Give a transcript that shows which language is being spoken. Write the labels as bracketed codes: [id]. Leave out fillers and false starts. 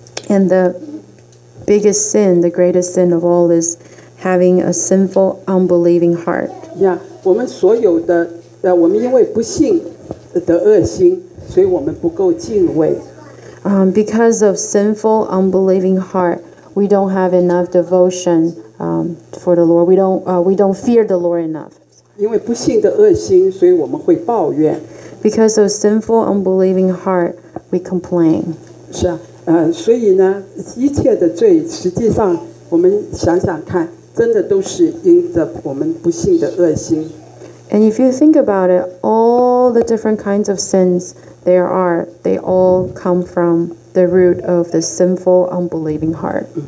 [en] And the biggest sin, the greatest sin of all is having a sinful, unbelieving heart. [zh] Yeah, 我们因为不幸的恶心，所以我们不够敬畏。 [en] Because of sinful, unbelieving heart, we don't have enough devotion for the Lord. We don't fear the Lord enough. [zh] 因为不幸的恶心，所以我们会抱怨。 [en] Because of sinful, unbelieving heart, we complain. [zh] 是啊，所以呢，一切的罪，实际上我们想想看，真的都是因着我们不幸的恶心。 [en] And if you think about it, all the different kinds of sins there are, they all come from the root of the sinful, unbelieving heart.